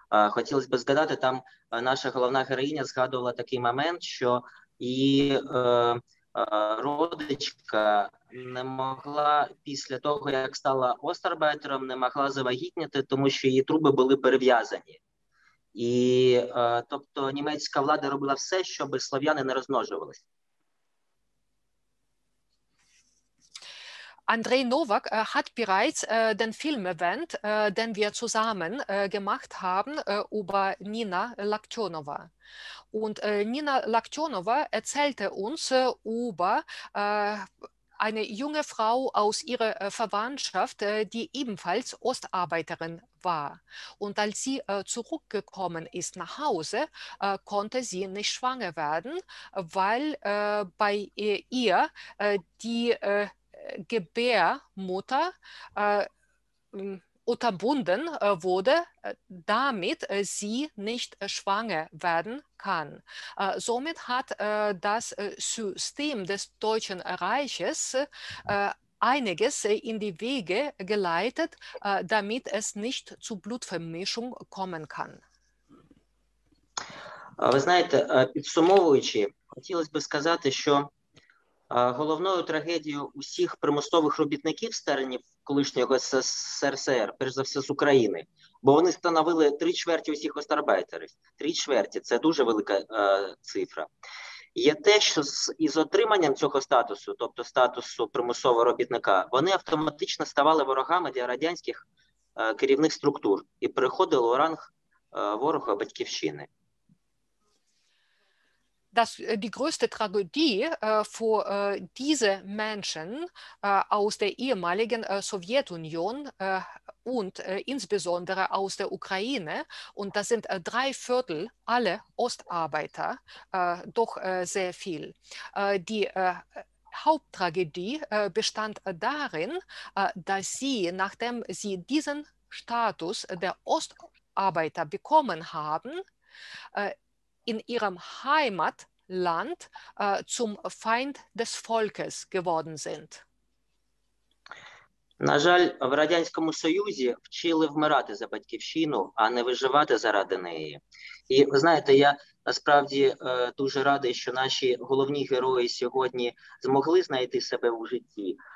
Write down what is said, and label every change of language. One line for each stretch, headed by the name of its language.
Ukrainian: Хотілося б згадати, там наша головна героїня згадувала такий момент, що її родичка не могла після того, як стала остарбайтером, не могла завагітніти, тому що її труби були перев'язані. І тобто німецька влада робила все, щоб слов'яни не розмножувалися.
German: Andrei Novak hat bereits den Film erwähnt, den wir zusammen gemacht haben über Nina Laktionova. Und Nina Laktionova erzählte uns über eine junge Frau aus ihrer Verwandtschaft, die ebenfalls Ostarbeiterin war. Und als sie zurückgekommen ist nach Hause, konnte sie nicht schwanger werden, weil bei ihr die Gebärmutter unterbunden wurde, damit sie nicht schwanger werden kann. Somit hat das System des Deutschen Reiches einiges in die Wege geleitet, damit es nicht zu Blutvermischung kommen kann.
Ukrainian: Ви знаєте, підсумовуючи, хотілося б сказати, що головною трагедією усіх примусових робітників старинів колишнього СРСР, перш за все з України, бо вони становили три чверті усіх остарбайтерів. Три чверті – це дуже велика цифра. Є те, що із отриманням цього статусу, тобто статусу примусового робітника, вони автоматично ставали ворогами для радянських керівних структур і переходили у ранг ворога батьківщини.
German: dass die größte Tragödie für diese Menschen aus der ehemaligen Sowjetunion und insbesondere aus der Ukraine, und das sind drei Viertel aller Ostarbeiter, doch sehr viel. Die Haupttragödie bestand darin, dass sie, nachdem sie diesen Status der Ostarbeiter bekommen haben, in ihrem Heimatland zum Feind des Volkes geworden sind.
Ukrainian: На жаль, в Радянському Союзі вчили вмирати за батьківщину, а не виживати заради неї. І ви знаєте, я насправді дуже радий, що наші головні герої сьогодні змогли знайти себе у житті.